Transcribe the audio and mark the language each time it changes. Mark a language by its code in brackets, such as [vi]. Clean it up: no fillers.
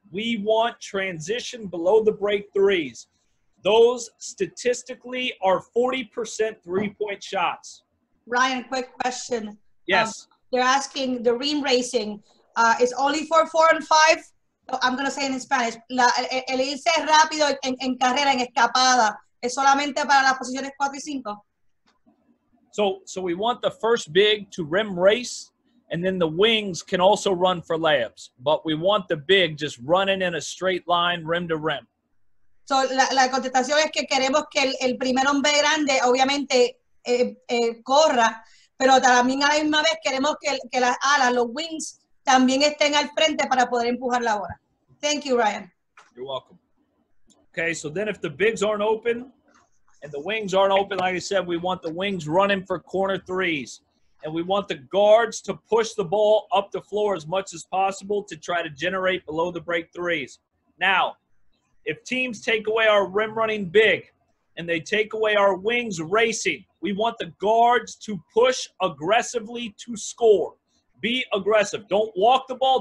[en] We want transition below the break threes. Those statistically are 40% three-point shots. Ryan, quick question. Yes. They're asking the rim racing is only for 4 and 5. I'm going to say in Spanish. [es] El irse rápido en carrera, en escapada, es solamente para las posiciones 4 y 5. [en] So we want the first big to rim race. And then the wings can also run for layups. But we want the big just running in a straight line, rim to rim. [es] So la contestación es que queremos que el primer hombre grande, obviamente, corra. Pero también a la misma vez queremos que las alas, los wings, también estén al frente para poder empujar la bola. [en] Thank you, Ryan. You're welcome. Okay, so then if the bigs aren't open and the wings aren't open, like I said, we want the wings running for corner threes. And we want the guards to push the ball up the floor as much as possible to try to generate below the break threes. Now, if teams take away our rim running big and they take away our wings racing, we want the guards to push aggressively to score. Be aggressive. Don't walk the ball.